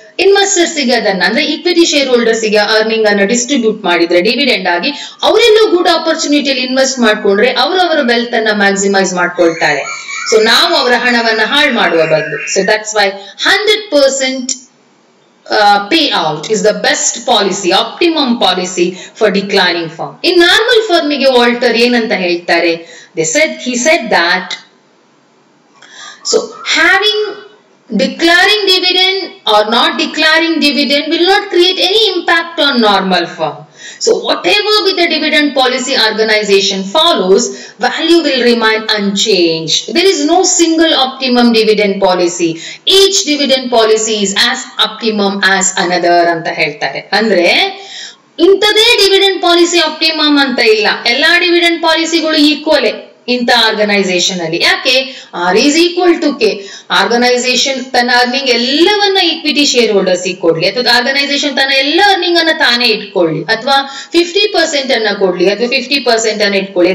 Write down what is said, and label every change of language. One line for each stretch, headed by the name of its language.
Kannada: Investors ಗೆ ಅದನ್ನ ಅಂದ್ರೆ ಇಕ್ವಿಟಿ ಶೇರ್ ಹೋಲ್ಡರ್ಸ್ ಗೆ ಅರ್ನಿಂಗ್ ಅನ್ನು ಡಿಸ್ಟ್ರಿಬ್ಯೂಟ್ ಮಾಡಿದ್ರೆ ಡಿವಿಡೆಂಡ್ ಆಗಿ ಅವರೆಲ್ಲೂ ಗುಡ್ ಆಪರ್ಚುನಿಟಿ ಅಲ್ಲಿ ಇನ್ವೆಸ್ಟ್ ಮಾಡ್ಕೊಂಡ್ರೆ ಅವರವರ ವೆಲ್ತ್ ಅನ್ನ ಮ್ಯಾಕ್ಸಿಮೈಸ್ ಮಾಡ್ಕೊಳ್ತಾರೆ. ಸೊ ನಾವು ಅವರ ಹಣವನ್ನು ಹಾಳು ಮಾಡುವ ಬದಲು.
English: So that's why 100% pay out is the best policy, optimum policy for declining firm.
Kannada: In normal firm ಗೆ ವಾಲ್ಟರ್ ಏನಂತ ಹೇಳ್ತಾರೆ?
English: He said that so having declaring dividend or not declaring dividend will not create any impact on normal firm. So whatever be the dividend policy organization follows, value will remain unchanged. There is no single optimum dividend policy. Each dividend policy is as optimum as another
Kannada: anta heltare. Andre ಇಂಥದೇ dividend policy optimum ಅಂತ ಇಲ್ಲ, ಎಲ್ಲಾ dividend ಪಾಲಿಸಿಗಳು ಈಕ್ವಲೇ ಇಂಥ organisation ಅಲ್ಲಿ. ಯಾಕೆ?
English: R is equal to K.
Kannada: Organisation ತನ್ನ earning ಎಲ್ಲವನ್ನ ಇಕ್ವಿಟಿ ಶೇರ್ ಹೋಲ್ಡರ್ಸ್ ಕೊಡ್ಲಿ, ಅಥವಾ ಆರ್ಗನೈಸೇಷನ್ ತನ್ನ ಎಲ್ಲ ಅರ್ನಿಂಗ್ ಅನ್ನ ತಾನೇ ಇಟ್ಕೊಳ್ಳಿ, ಅಥವಾ 50% ಅನ್ನ ಕೊಡ್ಲಿ, ಅಥವಾ 50% ಅನ್ನ ಇಟ್ಕೊಳ್ಳಿ.